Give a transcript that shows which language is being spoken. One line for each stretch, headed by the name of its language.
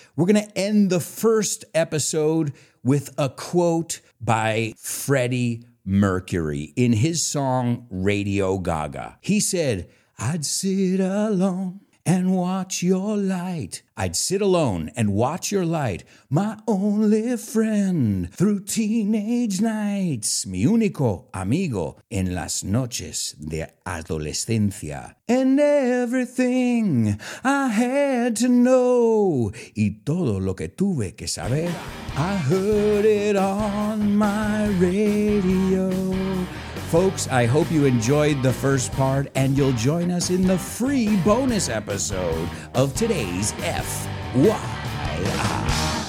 English: We're going to end the first episode with a quote by Freddie Mercury in his song Radio Gaga. He said, "I'd sit alone and watch your light. I'd sit alone and watch your light. My only friend through teenage nights.
Spanish: Mi único amigo en las noches de adolescencia.
English: And everything I had to know.
Spanish: Y todo lo que tuve que saber.
English: I heard it on my radio." Folks, I hope you enjoyed the first part and you'll join us in the free bonus episode of today's FYI.